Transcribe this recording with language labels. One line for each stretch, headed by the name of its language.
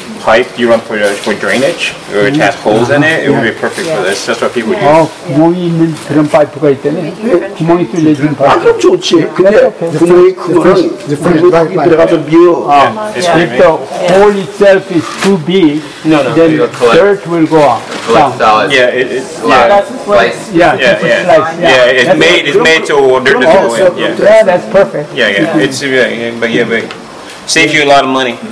English: pipe you run for drainage, or it has holes in it, it would be perfect for this. That's what people use.
Korean: 구멍이 있는 그런 파이프가 있다네. 구멍이 뚫려진 파이프. 그럼 좋지. 근데 구멍이 크면 구멍이 들어가서 미어.
English: If the hole itself is too big, then dirt will go out. It's made to order to go in. Saves you a lot of money.